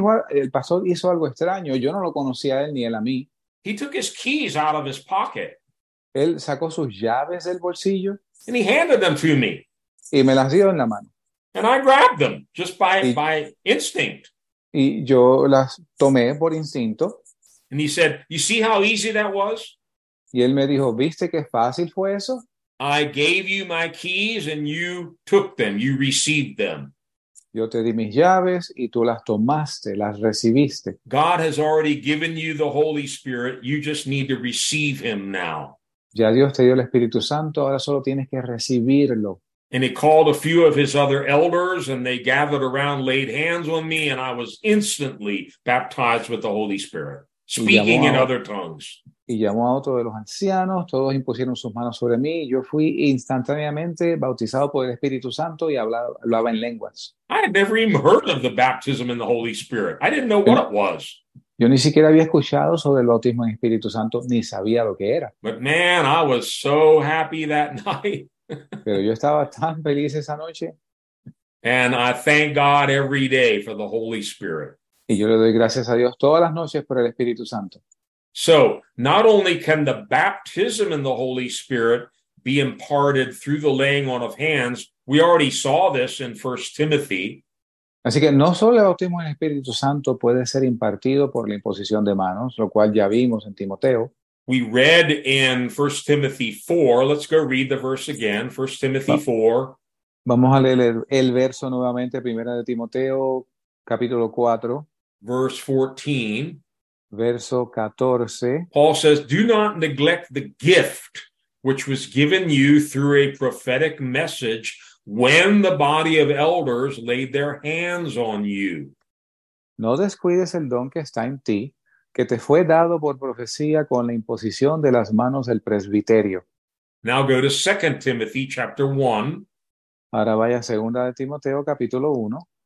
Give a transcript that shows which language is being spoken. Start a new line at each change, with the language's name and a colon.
Spanish: El pastor hizo algo extraño. Yo no lo conocía a él ni él a mí.
English: He took his keys out of his pocket.
Spanish: Él sacó sus llaves del bolsillo.
English: And he handed them to me.
Spanish: Y me las dio en la mano.
English: And I grabbed them just by instinct.
Spanish: Y yo las tomé por instinto.
English: And he said, "You see how easy that was?"
Spanish: Y él me dijo, "¿Viste qué fácil fue eso?"
English: I gave you my keys and you took them. You received them.
Spanish: Yo te di mis llaves y tú las tomaste, las recibiste.
English: God has already given you the Holy Spirit. You just need to receive him now.
Spanish: Ya Dios te dio el Espíritu Santo, ahora solo tienes que recibirlo.
English: And he called a few of his other elders and they gathered around, laid hands on me, and I was instantly baptized with the Holy Spirit. Speaking in other tongues.
Spanish: Y llamó a otro de los ancianos, todos impusieron sus manos sobre mí, yo fui instantáneamente bautizado por el Espíritu Santo y hablaba en lenguas.
English: I had never even heard of the baptism in the Holy Spirit. I didn't know what it was.
Spanish: Yo ni siquiera había escuchado sobre el bautismo en Espíritu Santo, ni sabía lo que era.
English: But man, I was so happy that night.
Spanish: Pero yo estaba tan feliz esa noche.
English: And I thank God every day for the Holy Spirit.
Spanish: Y yo le doy gracias a Dios todas las noches por el Espíritu Santo.
English: So, not only can the baptism in the Holy Spirit be imparted through the laying on of hands, we already saw this in 1 Timothy.
Spanish: Así que no solo el bautismo del Espíritu Santo puede ser impartido por la imposición de manos, lo cual ya vimos en Timoteo.
English: We read in 1 Timothy 4, let's go read the verse again, 1 Timothy 4.
Spanish: Vamos a leer el verso nuevamente, primera de Timoteo. Capítulo 4,
English: verse 14,
Spanish: verso 14.
English: Paul says, "Do not neglect the gift which was given you through a prophetic message when the body of elders laid their hands on you."
Spanish: No descuides el don que está en ti, que te fue dado por profecía con la imposición de las manos del presbiterio.
English: Now go to 2 Timothy chapter 1.
Spanish: Ahora vaya a 2 de Timoteo capítulo 1.